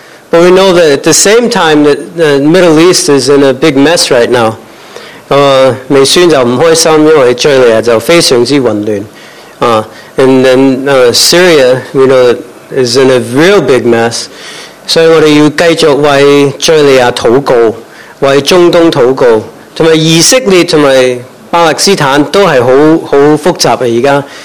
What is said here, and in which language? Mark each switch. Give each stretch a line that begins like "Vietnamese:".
English: But we know that at the same time, that the Middle East is in a big mess right now.
Cantonese: 美孫就唔開心，因為敘利亞就非常之混亂。
English: And then Syria, we know, is in a real big mess.
Cantonese: 所以我哋要繼續為敘利亞禱告，為中東禱告，同埋以色列同埋巴勒斯坦都係好複雜嘅而家。